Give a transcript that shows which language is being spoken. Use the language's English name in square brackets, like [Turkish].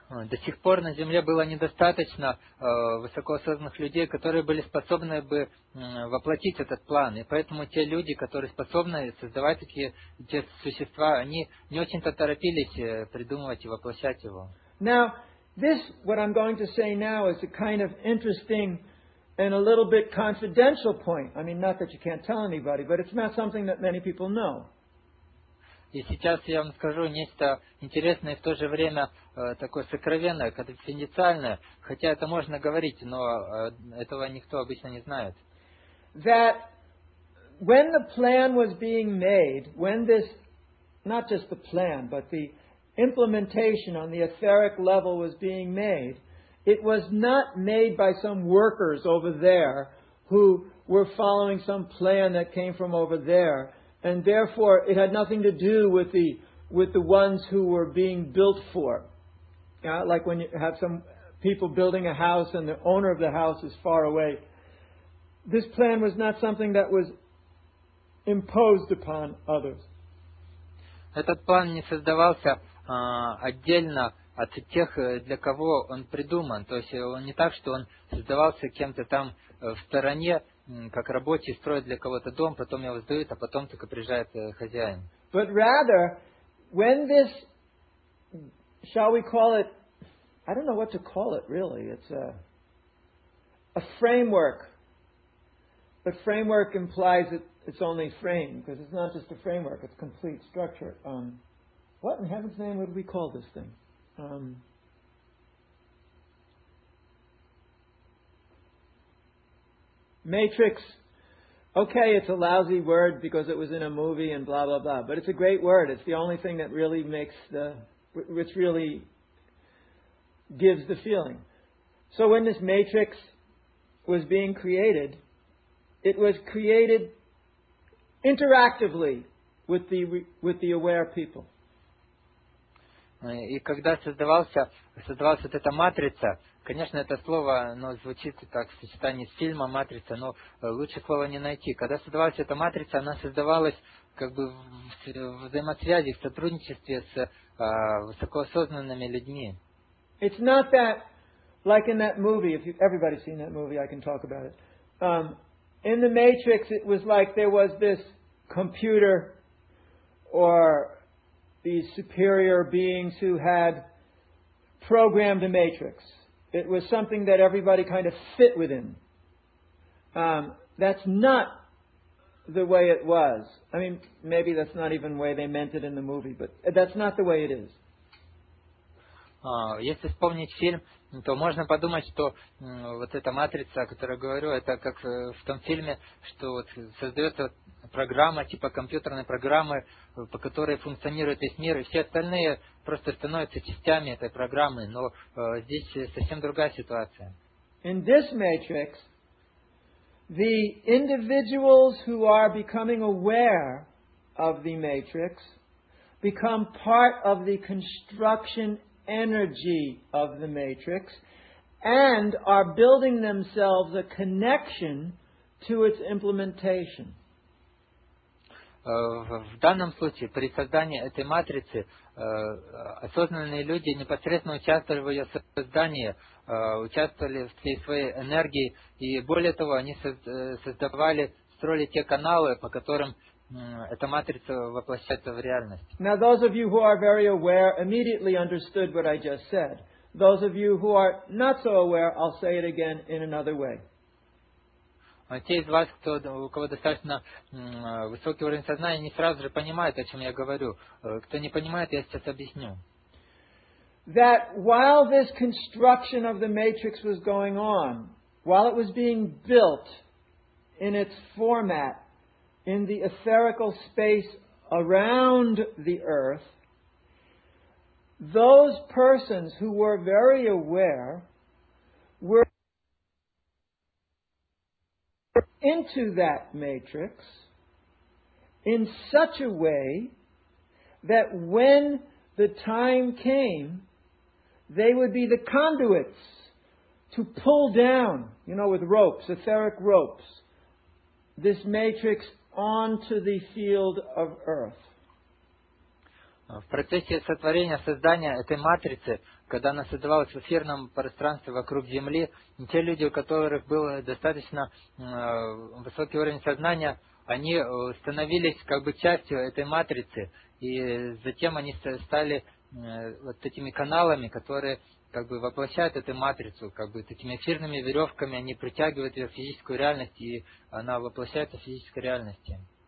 [Russian] До сих пор на Земле было недостаточно высокоосознанных людей, которые были способны бы воплотить этот план. И поэтому те люди, которые способны создавать такие те существа, они не очень-то торопились придумывать и воплощать его. [English] Now, this, what I'm going to say now, is a kind of interesting and a little bit confidential point. I mean, not that you can't tell anybody, but it's not something that many people know. [Russian] И сейчас я вам скажу нечто интересное и в то же время такое сокровенное, конфиденциальное, хотя это можно говорить, но этого никто обычно не знает. [English] That when the plan was being made, when this, not just the plan, but the implementation on the etheric level was being made, it was not made by some workers over there who were following some plan that came from over there. And therefore, it had nothing to do with the ones who were being built for. Yeah, like when you have some people building a house and the owner of the house is far away. This plan was not something that was imposed upon others. [Russian] Этот план не создавался отдельно от тех, для кого он придуман. То есть он не так, что он создавался кем-то там в стороне, как рабочий строит для кого-то дом, потом его сдают, а потом только приезжает хозяин. [English] But rather, when this, shall we call it, I don't know what to call it really, it's a framework. But framework implies that it's only frame, because it's not just a framework, it's complete structure. What in heaven's name would we call this thing? Matrix. Okay, it's a lousy word because it was in a movie and blah blah blah, but it's a great word. It's the only thing that really makes the which really gives the feeling. So when this matrix was being created, it was created interactively with the aware people. [Russian] И когда создавался эта матрица, конечно, это слово, оно звучит так в сочетании с фильмом «Матрица», но лучше слова не найти. Когда создавалась эта матрица, она создавалась как бы в взаимосвязи, в сотрудничестве с высокоосознанными людьми. [English] It's not that, like in that movie, if everybody's seen that movie, I can talk about it. In the Matrix, it was like there was this computer or these superior beings who had programmed a matrix. It was something that everybody kind of fit within. That's not the way it was. I mean, maybe that's not even the way they meant it in the movie, but that's not the way it is. [Russian] Если вспомнить фильм, то можно подумать, что вот эта матрица, о которой я говорю, это как в том фильме, что вот создается программа, типа компьютерной программы, по которой функционирует весь мир, и все остальные просто становятся частями этой программы. Но здесь совсем другая ситуация. [English] In this matrix, the individuals who are becoming aware of the matrix become part of the construction energy of the matrix and are building themselves a connection to its implementation. [Russian] В данном случае, при создании этой матрицы, осознанные люди непосредственно участвовали в ее создании, участвовали в всей своей энергии, и более того, они создавали, строили те каналы, по которым эта матрица воплощается в реальность. [English] Now, those of you who are very aware immediately understood what I just said. Those of you who are not so aware, I'll say it again in another way. [Russian] Те из вас, у кого достаточно высокий уровень сознания, не сразу же понимают, о чем я говорю. Кто не понимает, я сейчас объясню. [English] That while this construction of the matrix was going on, while it was being built in its format, in the etherical space around the earth, those persons who were very aware were into that matrix in such a way that when the time came, they would be the conduits to pull down, you know, with ropes, etheric ropes, this matrix onto the field of earth. [Russian] В процессе сотворения, создания этой матрицы, когда она создавалась в эфирном пространстве вокруг Земли, те люди, у которых был достаточно высокий уровень сознания, они становились как бы частью этой матрицы, и затем они стали вот этими каналами, которые как бы воплощают эту матрицу, как бы такими эфирными веревками они притягивают ее в физическую реальность, и она воплощается в физической реальности.